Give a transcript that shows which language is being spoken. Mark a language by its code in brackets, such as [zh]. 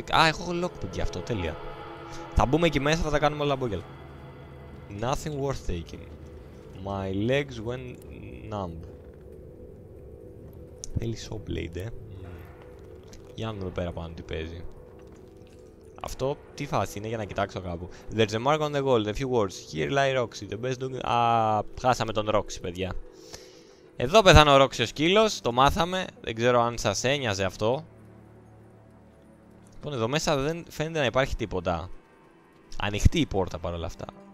[el] Α, έχω lockpick για αυτό. Τέλεια. Θα μπούμε εκεί μέσα, θα τα κάνουμε όλα μπόγκελ. [en] Nothing worth taking. My legs went numb. [el] Θέλει saw blade, Για να δούμε εδώ πέρα πάνω τι παίζει. Αυτό τι φάση είναι για να κοιτάξω κάπου. [en] There's a mark on the gold, a few words. Here lie Roxy, the best looking. [el] Α, χάσαμε τον Roxy, παιδιά. Εδώ πεθάνε ο Ρόξιος σκύλος, το μάθαμε. Δεν ξέρω αν σας ένοιαζε αυτό. Λοιπόν, εδώ μέσα δεν φαίνεται να υπάρχει τίποτα. Ανοιχτή η πόρτα παρόλα αυτά.